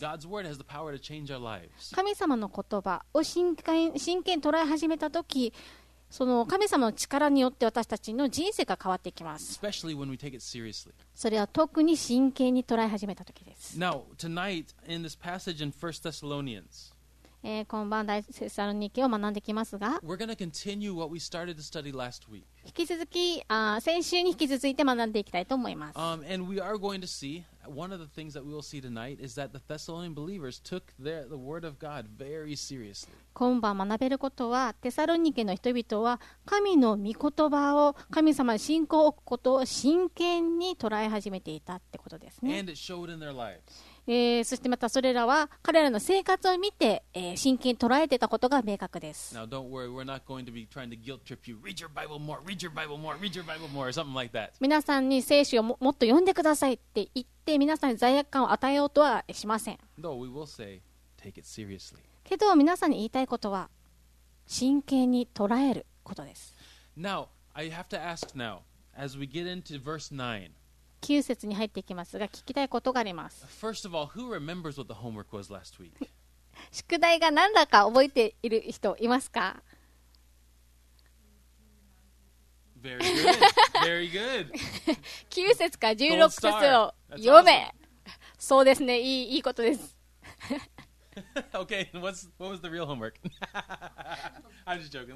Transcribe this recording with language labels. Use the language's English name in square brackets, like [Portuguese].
[Japanese] 神様の言葉を真剣捉え始めたとき、その神様の力によって私たちの人生が変わっていきます。 [English] Especially when we take it seriously. [Japanese] それは特に真剣に捉え始めた時です。 [English] Now, tonight, in this passage in 1 Thessalonians, [Japanese] 今晩第1テサロニケを学んできますが、 [English] We're going to continue what we started to study last week. [Japanese] 引き続き、先週に引き続いて学んでいきたいと思います。 [English] And we are going to see, one of the things that we will see tonight is that the Thessalonian believers took the word of God very seriously. [Japanese] 今晩学べることは、テサロニケの人々は神の御言葉を、神様の信仰を置くことを真剣に捉え始めていたってことですね。 [English] And it showed in their lives. [Japanese] そしてまたそれらは彼らの生活を見て、真剣に捉えてたことが明確です。 [English] Now don't worry, we're not going to be trying to guilt trip you. Read your Bible more, read your Bible more, read your Bible more, or something like that. [Japanese] 皆さんに聖書を もっと読んでくださいって言って皆さんに罪悪感を与えようとはしません。 [English] Though we will say, take it seriously. [Japanese] けど皆さんに言いたいことは真剣に捉えることです。 [English] Now, I have to ask now, as we get into verse 9, [Japanese] 9節に入っていきますが聞きたいことがあります。 [English] First of all, who remembers what the homework was last week? [Japanese] 宿題が何だか覚えている人いますか? [English] Very good, very good. [Japanese] 9節から16節を読め。 そうですね、いいことです。 [English] Okay, what was the real homework? I'm just joking.